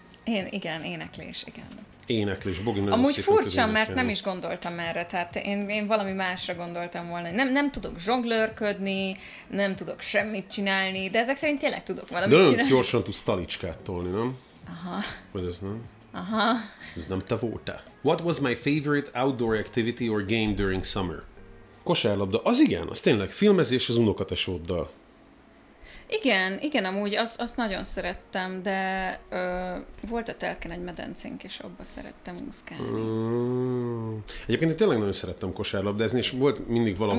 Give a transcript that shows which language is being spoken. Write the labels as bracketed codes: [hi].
[hu] Én, igen, éneklés, igen. Éneklés, Bogi, nagyon szépen. Amúgy furcsa, mert nem is gondoltam erre, tehát én valami másra gondoltam volna. Nem tudok zsonglőrködni, nem tudok semmit csinálni, de ezek szerint tényleg tudok valamit de csinálni. De gyorsan tudsz talicskát tolni, nem? Aha. Vagy ez nem? Aha. Ez nem te voltál. [en] What was my favorite outdoor activity or game during summer? [hu] Kosárlabda, az igen, az tényleg filmezés az unokatesóddal. Igen, igen, amúgy azt nagyon szerettem, de volt a telken egy medencénk, és abba szerettem úszkálni. Mm. Egyébként én tényleg nagyon szerettem kosárlabdázni, és volt mindig valami...